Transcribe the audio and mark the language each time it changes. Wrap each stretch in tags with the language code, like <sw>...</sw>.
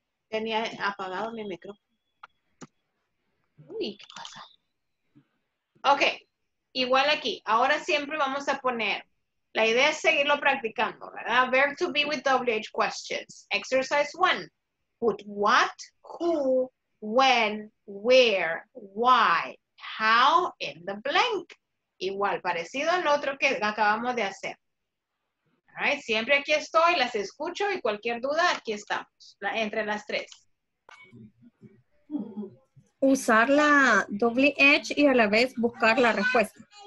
<es>Tenía apagado mi micrófono. Uy, qué pasa. Ok, igual aquí. Ahora siempre vamos a poner, la idea es seguirlo practicando, ¿verdad?</es> <en>Verb to be with WH questions. Exercise one. Put what, who, when, where, why, how in the blank.</en> <es>Igual, parecido al otro que acabamos de hacer. Alright, siempre aquí estoy, las escucho y cualquier duda, aquí estamos, entre las tres. Usar la WH y a la vez buscar la respuesta.</es>